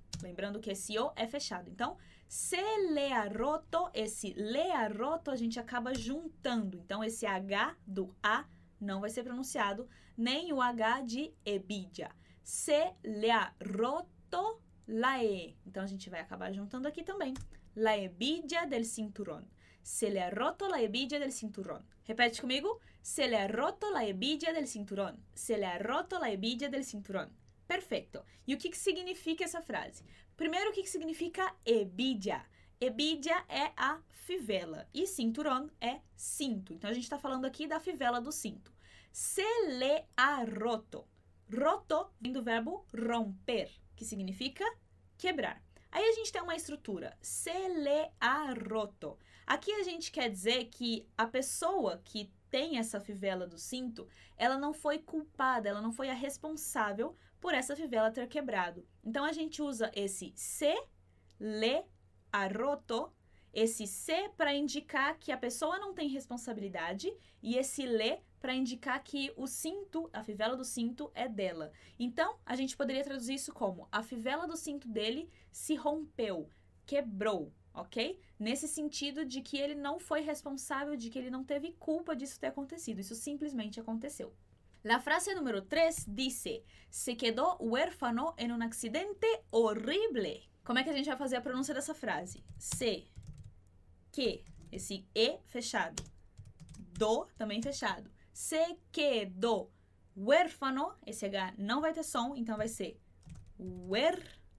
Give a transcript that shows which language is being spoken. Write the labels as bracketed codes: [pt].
[pt] Lembrando que esse O é fechado. Então, [es] se le ha roto, [pt] esse le ha roto a gente acaba juntando. Então, esse H do A não vai ser pronunciado, nem o H de hebilla. [es] Se le ha roto la e. [pt] Então, a gente vai acabar juntando aqui também. [es] La hebilla del cinturón. Se le ha roto la hebilla del cinturón. Repite conmigo. Se le ha roto la hebilla del cinturón. Se le ha roto la hebilla del cinturón. Perfecto. ¿Y qué significa esa frase? Primero, ¿qué significa hebilla? [pt] Hebilla é a fivela e cinturão é cinto. Então, a gente está falando aqui da fivela do cinto. [es] Se le ha roto. [pt] Roto vem do verbo romper, que significa quebrar. Aí a gente tem uma estrutura. [es] Se le ha roto. [pt] Aqui a gente quer dizer que a pessoa que tem essa fivela do cinto, ela não foi culpada, ela não foi a responsável por essa fivela ter quebrado. Então, a gente usa esse [es] se le ha roto, [pt] esse se para indicar que a pessoa não tem responsabilidade e esse le para indicar que o cinto, a fivela do cinto é dela. Então, a gente poderia traduzir isso como a fivela do cinto dele se rompeu, quebrou, ok? Nesse sentido de que ele não foi responsável, de que ele não teve culpa disso ter acontecido, isso simplesmente aconteceu. [es] La frase número 3 dice: se quedó huérfano en un accidente horrible. [pt] Como é que a gente vai fazer a pronúncia dessa frase? Se, que, esse E fechado, do, também fechado. [es] Se quedó huérfano, [pt] esse H não vai ter som, então vai ser huérfano.